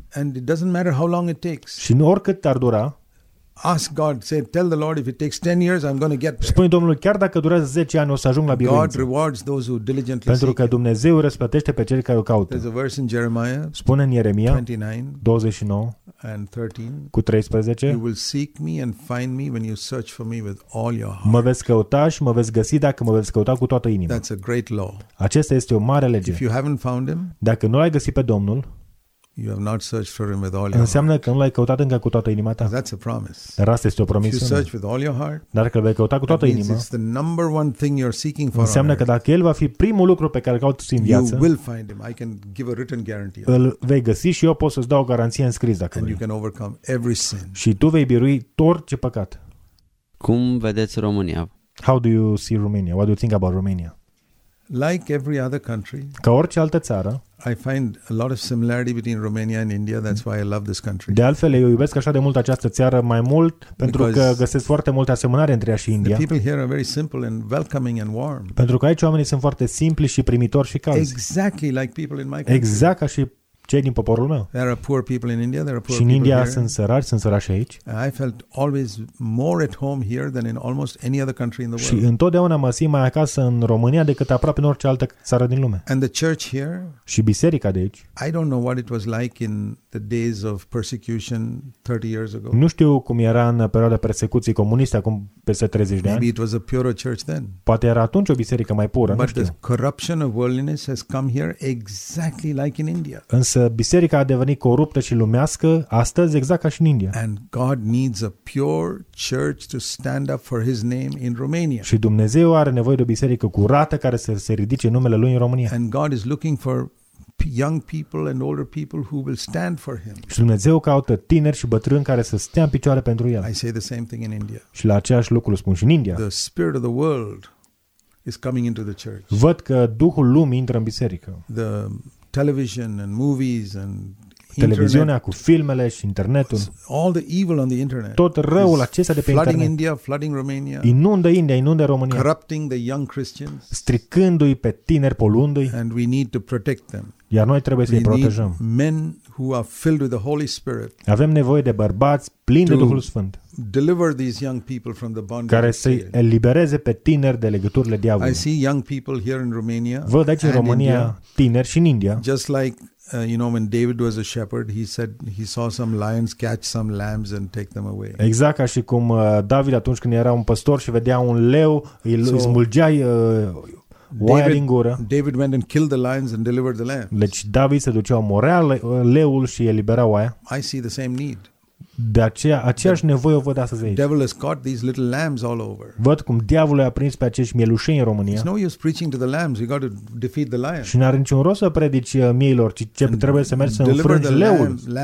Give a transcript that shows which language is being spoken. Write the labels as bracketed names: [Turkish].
[English] And it doesn't matter how long it takes. [Romanian] Și nu oricât ar dura. [English] Ask God, say, tell the Lord if it takes 10 years I'm going to get there. [Romanian] Spune Domnului, chiar dacă durează 10 ani o să ajung la biruință. [English] God rewards those who diligently seek. [Romanian] Pentru că Dumnezeu răsplătește pe cei care o caută. [English] There's a verse in Jeremiah. [Romanian] Spune în Ieremia [English] 29 and 13. [Romanian] Cu 13. [English] You will seek me and find me when you search for me with all your heart. [Romanian] Mă veți căuta și mă veți găsi dacă mă veți căuta cu toată inima. [English] That's a great law. [Romanian] Aceasta este o mare lege. [English] If you haven't found him, [Romanian] dacă nu l-ai găsit pe Domnul, [English] you have not searched for him with all your [Romanian] înseamnă [English] heart. [Romanian] Că nu l-ai căutat încă cu toată inima ta. [English] That's a promise. [Romanian] Dar asta este o promisiune. [English] If you search with all your heart, [Romanian] dar dacă l-ai căutat cu toată inima, [English] it's the number one thing you're seeking for. [Romanian] Înseamnă că dacă el va fi primul lucru pe care îl cauți în viață, [English] you will find him. I can give a written guarantee. [Romanian] Îl vei găsi și eu pot să-ți dau o garanție în scris dacă [English] and you can overcome every sin. [Romanian] Și tu vei birui orice păcat. Cum vedeți România? [English] How do you see Romania? What do you think about Romania? Like every other country. [Romanian] Ca orice altă țară. [English] I find a lot of similarity between Romania and India. That's why I love this country. [Romanian] De altfel, eu iubesc așa de mult această țară mai mult pentru că găsesc foarte multe asemănări între ea și India. [English] The people here are very simple and welcoming and warm. [Romanian] Pentru că aici oamenii sunt foarte simpli și primitori și calzi. [English] Exactly like people in my country. [Romanian] Exact ca și cei din poporul meu. [English] There are poor people in India. There are poor [Romanian] și în India [English] here. [Romanian] sunt sărași aici. [English] I felt always more at home here than in almost any other country in the world. [Romanian] Și întotdeauna mă simt mai acasă în România decât aproape în orice altă țară din lume. [English] And the church here. [Romanian] Și biserica de aici. [English] I don't know what it was like in the days of persecution 30 years ago. [Romanian] Nu știu cum era în perioada persecuției comuniste acum peste 30 de ani. [English] Maybe it was a purer church then. [Romanian] Poate era atunci o biserică mai pură. [English] But the corruption of worldliness has come here exactly like in India. [Romanian] Însă biserica a devenit coruptă și lumească astăzi exact ca și în India. [English] And God needs a pure church to stand up for his name in Romania. [Romanian] Și Dumnezeu are nevoie de o biserică curată care să se ridice numele lui în România. [English] And God is looking for young people and older people who will stand for him. [Romanian] Și Dumnezeu caută tineri și bătrâni care să stea în picioare pentru el. [English] I say the same thing in India. [Romanian] Și la același lucru spun și în India. [English] The spirit of the world is coming into the church. [Romanian] Văd că Duhul lumii intră în biserică. [English] The television and movies and [Romanian] televiziunea, cu filmele și internetul. [English] All the evil on the internet. [Romanian] Tot răul acesta de pe internet. [English] Flooding India, flooding Romania. [Romanian] Inundă India, inundă România. [English] Corrupting the young Christians. [Romanian] Stricându-i pe tineri, polundu-i. [English] And we need to protect them. [Romanian] Iar noi trebuie să îi protejăm. [English] Men who are filled with the Holy Spirit. [Romanian] Avem nevoie de bărbați plini de Duhul Sfânt. [English] Deliver these young people from the bondage. [Romanian] Care să-i elibereze pe tineri de legăturile diavolului. [English] I see young people here in Romania. [Romanian] Văd aici în România tineri și în India. [English] Just like you know, when David was a shepherd, he said he saw some lions catch some lambs and take them away. [Romanian] Exact ca și cum David atunci când era un pastor și vedea un leu, îi smulgea oaia din gură. [English] David went and killed the lions and delivered the lambs. [Romanian] Deci David se ducea, omorea leul și elibera oaia. [English] I see the same need. [Romanian] De aceea, aceeași nevoie o văd astăzi aici. [English] Devil has caught these little lambs all over. [Romanian] Văd cum diavolul a prins pe acești mielușeni în România. [English] It's no use preaching to the lambs, you got to defeat the lion. [Romanian] Și n-are niciun rost să predici mieilor, ci ce trebuie să mergi să înfrângi leul,